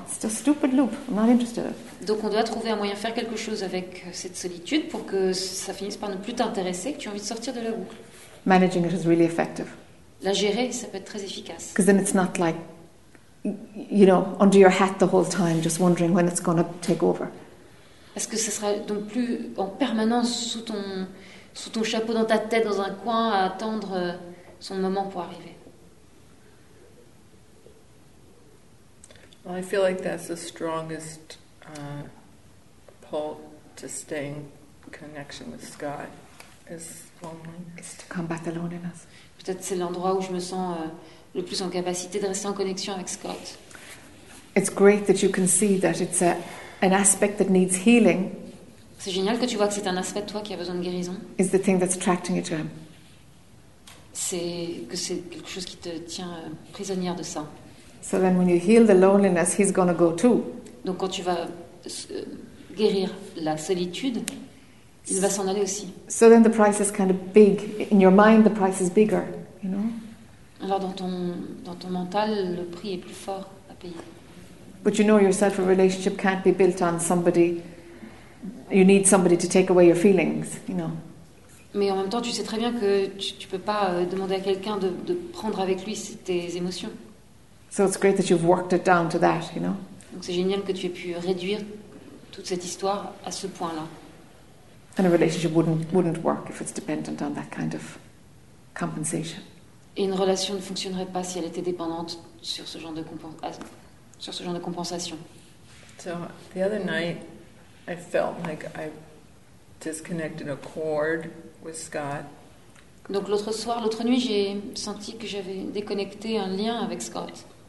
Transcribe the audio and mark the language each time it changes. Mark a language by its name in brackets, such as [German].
[English] It's just a stupid loop. I'm not interested in it. [French] Donc on doit trouver un moyen de faire quelque chose avec cette solitude pour que ça finisse par ne plus t'intéresser, que tu aies envie de sortir de la boucle. [English] Managing it is really effective. [French] La gérer, ça peut être très efficace. [English] Because then it's not like, you know, under your hat the whole time, just wondering when it's going to take over. [French] Est-ce que ce sera donc plus en permanence sous ton chapeau, dans ta tête, dans un coin, à attendre son moment pour arriver? [English] Well, I feel like that's the strongest pull to staying connection with Sky is loneliness. Is to combat the loneliness. [French] Peut-être c'est l'endroit où je me sens le plus en capacité de rester en connexion avec Scott. [English] It's great that you can see that it's an aspect that needs healing. [French] C'est génial que tu vois que c'est un aspect de toi qui a besoin de guérison. [English] Is the thing that's attracting you to him. [French] C'est que c'est quelque chose qui te tient prisonnière de ça. [English] So then when you heal the loneliness, he's going to go too. [French] Donc quand tu vas guérir la solitude, il va s'en aller aussi. [English] So then the price is kind of big. In your mind, the price is bigger, you know? [French] Alors dans ton mental, le prix est plus fort à payer. [English] But you know yourself, a relationship can't be built on somebody. You need somebody to take away your feelings, you know? [French] Mais en même temps, tu sais très bien que tu peux pas demander à quelqu'un de prendre avec lui tes émotions. [English] So it's great that you've worked it down to that, you know? [French] Donc c'est génial que tu aies pu réduire toute cette histoire à ce point-là. [English] And a relationship wouldn't work if it's dependent on that kind of compensation. [French] Et une relation ne fonctionnerait pas si elle était dépendante sur ce genre de compensation. [English] So the other night, I felt like I disconnected a cord with Scott. [French] Donc l'autre nuit, j'ai senti que j'avais déconnecté un lien avec Scott.